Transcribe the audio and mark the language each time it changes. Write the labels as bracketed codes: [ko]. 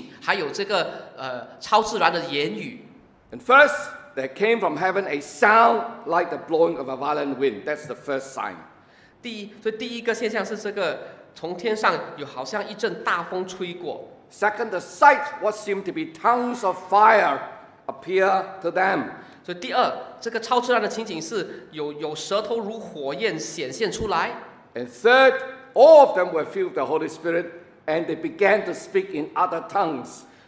[zh] 这件事情呢，伴随着三个超自然的现象，有声音，有这个情景，还有这个超自然的言语。 [en] And first, there came from heaven a sound like the blowing of a violent wind. That's the first sign. [zh] 所以第一个现象是这个，从天上有好像一阵大风吹过。 [en] Second, the sight, what seemed to be tongues of fire, appear to them. [zh] 所以第二，这个超自然的情景是有舌头如火焰显现出来。 [en] And third, all of them were filled with the Holy Spirit, and they began to speak in other tongues.